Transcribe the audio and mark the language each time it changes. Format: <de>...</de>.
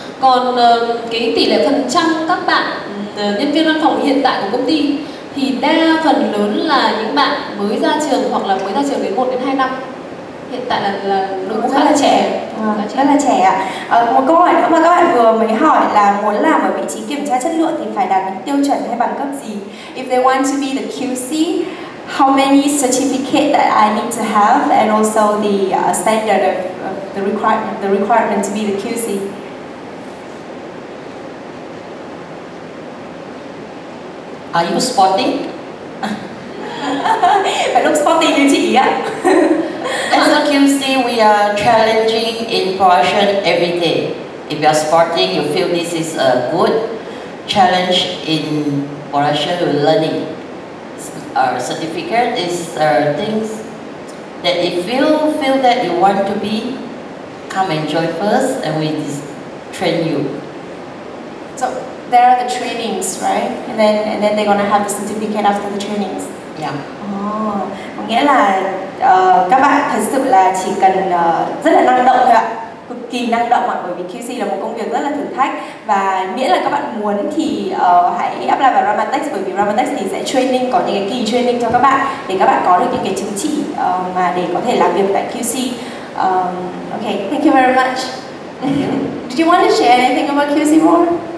<vi>Còn cái tỷ lệ phần trăm các bạn nhân viên văn phòng hiện tại của công ty thì đa phần lớn là những bạn mới ra trường hoặc là mới ra trường đến 1 đến 2 năm. Hiện tại là đội ngũ khá là trẻ. Một câu hỏi nữa mà các bạn vừa mới hỏi là muốn làm ở vị trí kiểm tra chất lượng thì phải đạt những tiêu chuẩn hay bằng cấp gì?</vi> <en>If they want to be the QC, how many certificate that I need to have and also the standard of the requirement to be the QC? Are you sporty?</en> <vi>Phải</vi> <en>look sporty</en> <vi>như chị ý ạ.</vi> <en>As a QC, we are challenging in production every day. If you are sporting, you feel this is a good challenge in production or learning. Our certificate is things that if you feel that you want to be, come and join first and we train you. So there are the trainings, right? And then they're going to have the certificate after the trainings. Yeah.</en> <vi>Oh, nghĩa là các bạn thật sự là chỉ cần rất là năng động thôi ạ, cực kỳ năng động ạ, bởi vì QC là một công việc rất là thử thách, và miễn là các bạn muốn thì hãy apply vào Ramatech, bởi vì Ramatech thì sẽ training, có những cái kỳ training cho các bạn để các bạn có được những cái chứng chỉ mà để có thể làm việc tại QC.</vi> <en>Okay, thank you very much. Did you want to share anything about QC more?</en>